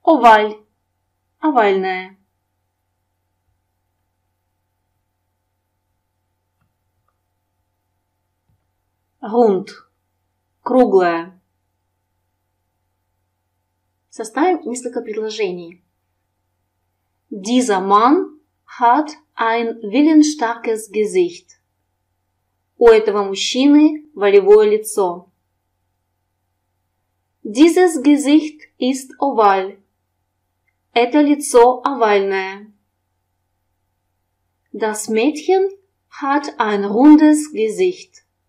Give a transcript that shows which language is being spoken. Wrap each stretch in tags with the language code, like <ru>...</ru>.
<ru>Оваль – овальное. Рунд – круглое. Составим несколько предложений.</ru> <de>Dieser Mann hat ein willensstarkes Gesicht.</de> <ru>У этого мужчины волевое лицо.</ru> <de>Dieses Gesicht ist oval.</de> <ru>Это лицо овальное.</ru> <de>Das Mädchen hat ein rundes Gesicht.</de>